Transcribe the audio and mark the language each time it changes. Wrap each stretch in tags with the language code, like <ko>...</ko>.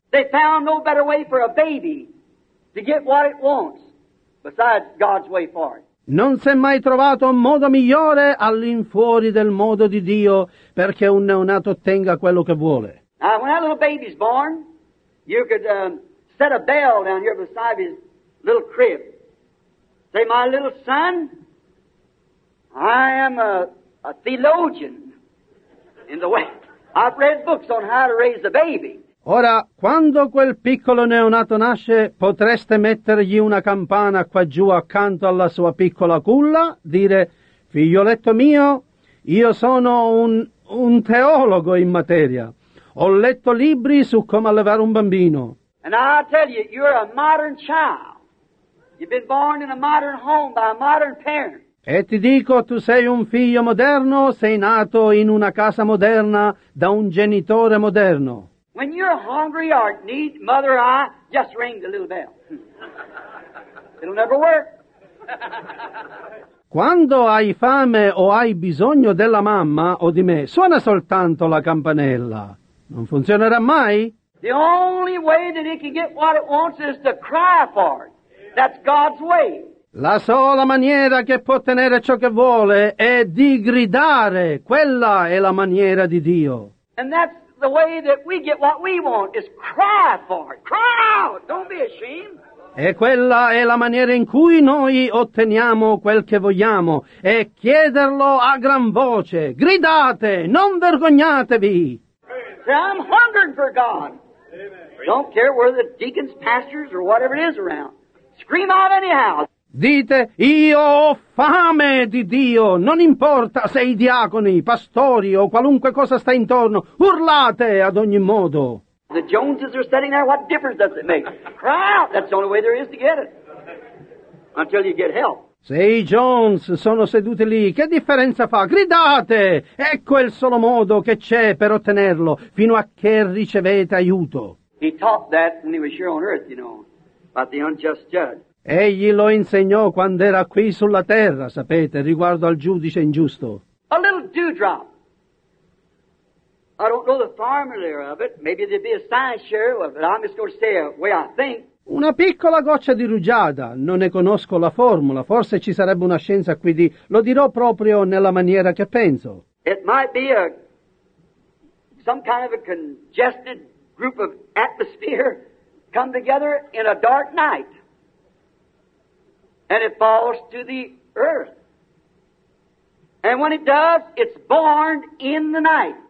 <en>They found no better way for a baby to get what it wants. Besides God's way for it.</en> <it>Non si è mai trovato un modo migliore all'infuori del modo di Dio perché un neonato ottenga quello che vuole.</it> <en>Now, when that little baby's born, you could set a bell down here beside his little crib. Say, my little son, I am a theologian in the way. I've read books on how to raise a baby.</en> <it>Ora, quando quel piccolo neonato nasce, potreste mettergli una campana qua giù accanto alla sua piccola culla, dire, figlioletto mio, io sono un teologo in materia. Ho letto libri su come allevare un bambino.</it> <en>And I tell you, you're a modern child. You've been born in a modern home by a modern parent.</en> <it>E ti dico, tu sei un figlio moderno, sei nato in una casa moderna da un genitore moderno.</it> <en>When you're hungry or need, mother or I, just ring the little bell. It'll never work.</en> <it>Quando hai fame o hai bisogno della mamma o di me, suona soltanto la campanella. Non funzionerà mai.</it> <en>The only way that it can get what it wants is to cry for it. That's God's way.</en> <it>La sola maniera che può ottenere ciò che vuole è di gridare. Quella è la maniera di Dio.</it> <en>And that's the way that we get what we want is cry for it. Cry out! Don't be ashamed.</en> <it>E quella è la maniera in cui noi otteniamo quel che vogliamo. È chiederlo a gran voce. Gridate! Non vergognatevi!</it> <en>See, I'm hungering for God. Amen. Don't care where the deacons, pastors, or whatever it is around. Scream out anyhow.</en> <it>Dite, io ho fame di Dio, non importa se i diaconi, i pastori o qualunque cosa sta intorno, urlate ad ogni modo.</it> <en>The Joneses are sitting there, what difference does it make? Cry out, that's the only way there is to get it, until you get help.</en> <it>Sei Jones sono seduti lì, che differenza fa? Gridate! Ecco il solo modo che c'è per ottenerlo, fino a che ricevete aiuto.</it> <en>He taught that when he was here on earth, you know, about the unjust judge.</en> <it>Egli lo insegnò quando era qui sulla terra, sapete, riguardo al giudice ingiusto.</it> <en>A little dewdrop. I don't know the formula of it. Maybe there'd be a science share, but I'm just going to say the way I think.</en> <it>Una piccola goccia di rugiada, non ne conosco la formula, forse ci sarebbe una scienza qui di... Lo dirò proprio nella maniera che penso.</it> <en>It might be a... some kind of a congested group of atmosphere come together in a dark night. And it falls to the earth. And when it does, it's born in the night.</en>